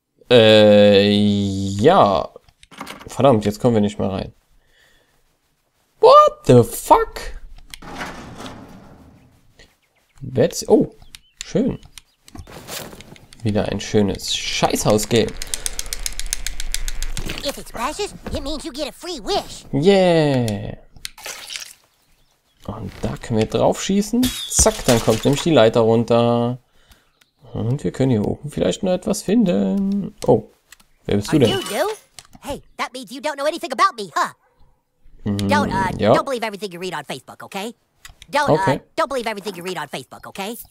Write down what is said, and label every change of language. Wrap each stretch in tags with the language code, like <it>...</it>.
<de>Ja. Verdammt, jetzt kommen wir nicht mehr rein.</de> <en>What the fuck?</en> <de>Betsy, oh, schön. Wieder ein schönes Scheißhaus-Game.</de> <en>If it's precious, it means you get a free wish. Yeah.</en> <de>Und da können wir drauf schießen. Zack, dann kommt nämlich die Leiter runter. Und wir können hier oben vielleicht noch etwas finden. Oh, wer bist du denn?</de> <en>Are you new? Hey, that means you don't know anything about me, huh?</en> <de>Ja.</de> <en>Don't believe everything you read on Facebook, okay? Don't, okay. Don't believe everything you read on Facebook, okay?</en>